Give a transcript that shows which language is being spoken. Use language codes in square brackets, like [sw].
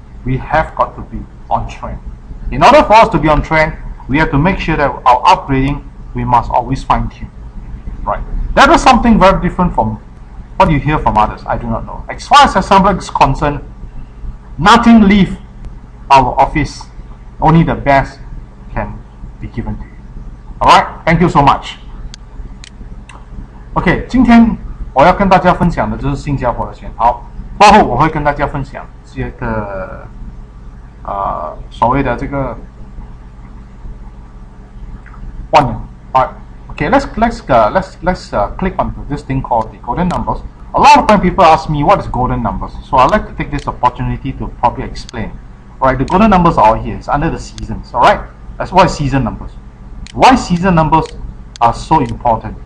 [en] We have got to be on trend. In order for us to be on trend, we have to make sure that our upgrading, we must always fine tune, right? That is something very different from what you hear from others. I do not know. As far as Assemblix is concerned, nothing leave our office. Only the best can be given to you. Alright, thank you so much. [zh] Okay, 今天我要跟大家分享的就是新加坡的钱。好，过后我会跟大家分享这个所谓的这个万能。 [en] Okay, let's click on this thing called the golden numbers. A lot of time people ask me what is golden numbers. So I'd like to take this opportunity to probably explain. Right, the golden numbers are all here. It's under the seasons. Alright, that's why season numbers. Why season numbers are so important.